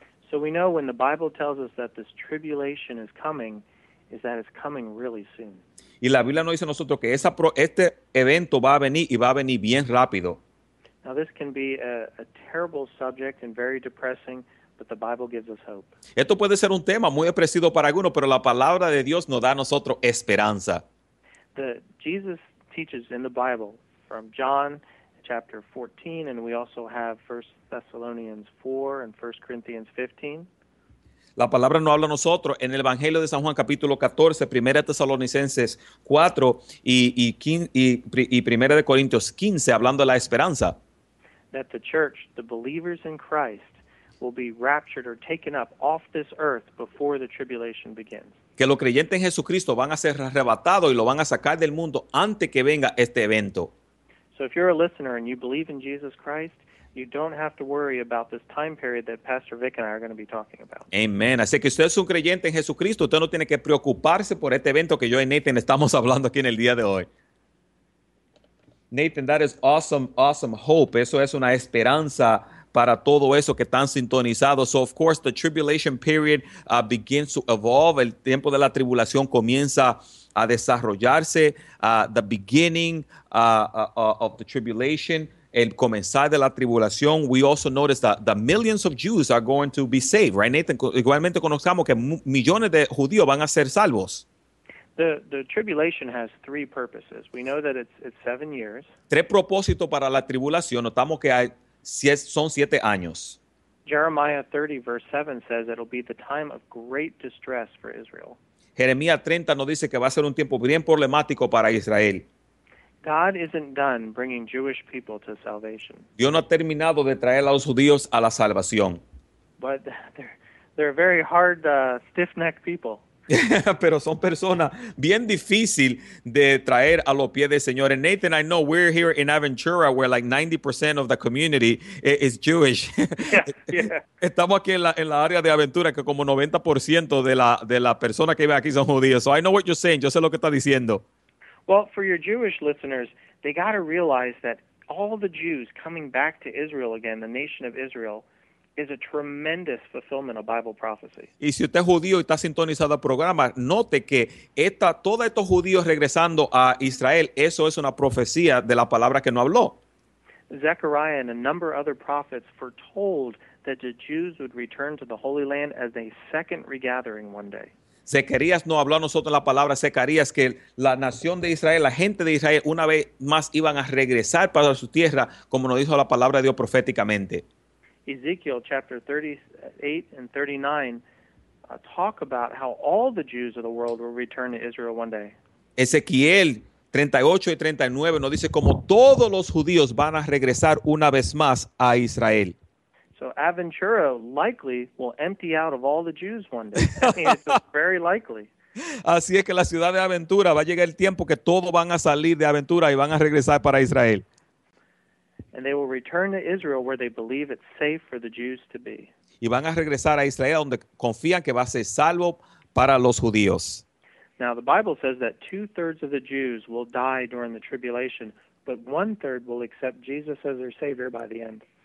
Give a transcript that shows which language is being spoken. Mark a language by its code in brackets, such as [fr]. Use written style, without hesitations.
[en] So we know when the Bible tells us that this tribulation is coming, is that it's coming really soon. [es] Y la Biblia nos dice a nosotros que este evento va a venir y va a venir bien rápido. [en] Now this can be a terrible subject and very depressing, but the Bible gives us hope. [es] Esto puede ser un tema muy apreciado para algunos, pero la palabra de Dios nos da a nosotros esperanza. [en] Jesus teaches in the Bible from John chapter 14, and we also have 1 Thessalonians 4 and 1 Corinthians 15. [es] La palabra nos habla a nosotros en el Evangelio de San Juan, capítulo 14, 1 Tesalonicenses 4 y 1 de Corintios 15, hablando de la esperanza. [en] That the church, the believers in Christ, will be raptured or taken up off this earth before the tribulation begins. [es] Que los creyentes en Jesucristo van a ser arrebatados y lo van a sacar del mundo antes que venga este evento. [en] So if you're a listener and you believe in Jesus Christ, you don't have to worry about this time period that Pastor Vic and I are going to be talking about. Amen. [es] Así que usted es un creyente en Jesucristo, usted no tiene que preocuparse por este evento que yo y Nathan estamos hablando aquí en el día de hoy. [en] Nathan, that is awesome, awesome hope. [es] Eso es una esperanza para todo eso que están sintonizados. [en] So, of course, the tribulation period begins to evolve. [es] El tiempo de la tribulación comienza a desarrollarse. [en] The beginning of the tribulation [es] el comenzar de la tribulación, [en] we also notice that the millions of Jews are going to be saved, right, Nathan? [es] Igualmente conozcamos que millones de judíos van a ser salvos. [en] The tribulation has three purposes. We know that it's 7 years. [es] Tres propósitos para la tribulación. Notamos que son 7 años. [en] Jeremiah 30, verse 7 says it'll be the time of great distress for Israel. [es] Jeremías 30 nos dice que va a ser un tiempo bien problemático para Israel. [en] God isn't done bringing Jewish people to salvation. [es] Dios no ha terminado de traer a los judíos a la salvación. [en] But they're very hard, stiff-necked people. [es] Pero son personas bien difícil de traer a los pies del Señor. [en] And Nathan, I know we're here in Aventura where like 90% of the community is Jewish. Yeah. [es] Estamos aquí en la área de Aventura que como 90% de la persona que vive aquí son judíos. [en] So I know what you're saying. [es] Yo sé lo que está diciendo. [en] Well, for your Jewish listeners, they got to realize that all the Jews coming back to Israel again, the nation of Israel, is a tremendous fulfillment of Bible prophecy. [es] Y si usted es judío y está sintonizado al programa, note que todos estos judíos regresando a Israel, eso es una profecía de la palabra que no habló. [en] Zechariah and a number of other prophets foretold that the Jews would return to the Holy Land as a second regathering one day. [es] Zechariah no habló a nosotros la palabra Zechariah que la nación de Israel, la gente de Israel, una vez más iban a regresar para su tierra, como nos dijo la palabra de Dios proféticamente. [en] Ezekiel chapter 38 and 39 talk about how all the Jews of the world will return to Israel one day. [es] Ezequiel 38 y 39 nos dice como todos los judíos van a regresar una vez más a Israel. [en] So Aventura likely will empty out of all the Jews one day. I mean, it's very likely. [es] Así es que la ciudad de Aventura va a llegar el tiempo que todos van a salir de Aventura y van a regresar para Israel. [en] And they will return to Israel where they believe it's safe for the Jews to be. [es] Y van a regresar a Israel donde confían que va a ser salvo para los judíos. [en] Now the Bible says that 2/3 of the Jews will die during the tribulation, but 1/3 will accept Jesus as their Savior by the end.